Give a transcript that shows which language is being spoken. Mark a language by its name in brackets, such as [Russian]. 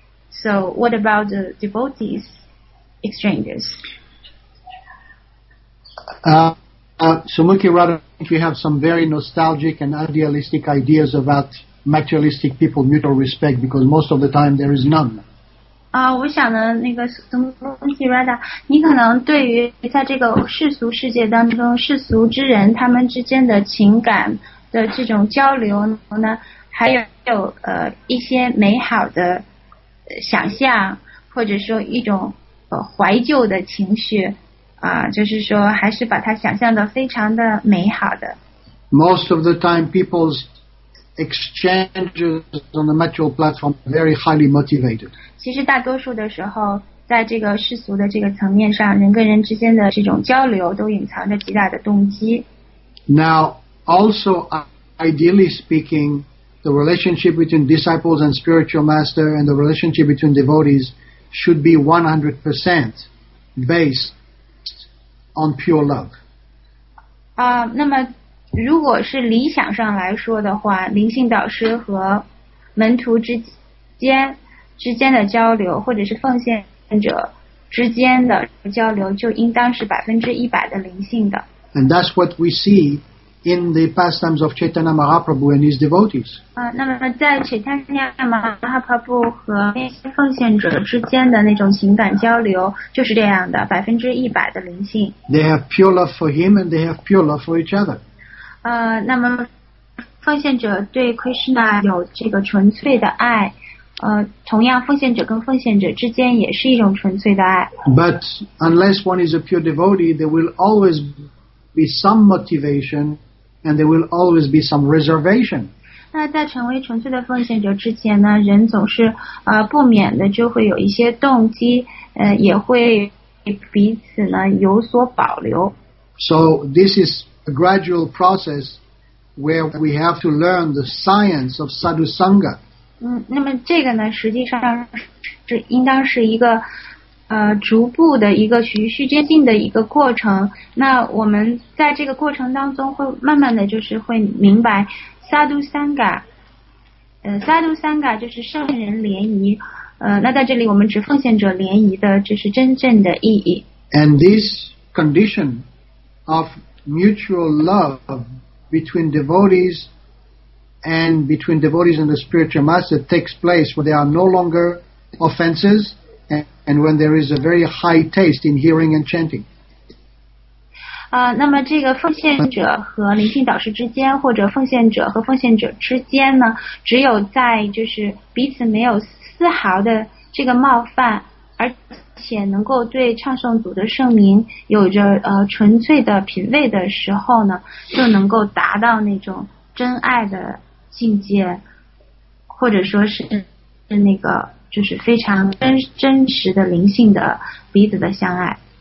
[English] So what about the devotees exchanges? Sumukhi Radha, I think you have some very nostalgic and idealistic ideas about materialistic people mutual respect, because most of the time there is none. [Chinese] 我想呢，那个 Sumukhi Radha， 你可能对于在这个世俗世界当中，世俗之人他们之间的情感的这种交流呢，还有一些美好的想象，或者说一种怀旧的情绪。就是说还是把它想象的非常的美好的。 [English] Most of the time, people's exchanges on the material platform are very highly motivated. [Chinese] 其实大多数的时候，在这个世俗的这个层面上，人跟人之间的这种交流都隐藏着极大的动机。 [English] Now, also, ideally speaking, the relationship between disciples and spiritual master and the relationship between devotees should be 100% based on pure love. [Chinese] 那么如果是理想上来说的话，灵性导师和门徒之间的交流，或者是奉献者之间的交流，就应当是100%的灵性的。 [English] And that's what we see in the pastimes of Chaitanya Mahaprabhu and his devotees. [Chinese] 那么在 Chaitanya Mahaprabhu 和那些奉献者之间的那种情感交流就是这样的，100%的灵性。 [English] They have pure love for him and they have pure love for each other. [Chinese] 那么奉献者对 Krishna 有这个纯粹的爱，同样奉献者跟奉献者之间也是一种纯粹的爱。 [English] But unless one is a pure devotee, there will always be some motivation and there will always be some reservation. [Chinese] 那在成为纯粹的奉献者之前呢，人总是不免的就会有一些动机，也会彼此呢有所保留。 [English] So this is a gradual process where we have to learn the science of sadhu sangha. [Chinese] 那么这个呢实际上是应当是一个逐步的一个循序渐进的一个过程，那我们在这个过程当中会慢慢的就是会明白 Sadhu Sangha， Sadhu Sangha 就是圣人联谊，那在这里我们指奉献者联谊的就是真正的意义。 [English] And this condition of mutual love between devotees and between devotees and the spiritual master takes place where there are no longer offensesand when there is a very high taste in hearing and chanting. [Chinese] 那么这个奉献者和灵性导师之间，或者奉献者和奉献者之间呢，只有在就是彼此没有丝毫的这个冒犯，而且能够对唱诵组的圣名有着纯粹的品味的时候呢，就能够达到那种真爱的境界，或者说是那个就是非常 真实的灵性的彼此的相爱。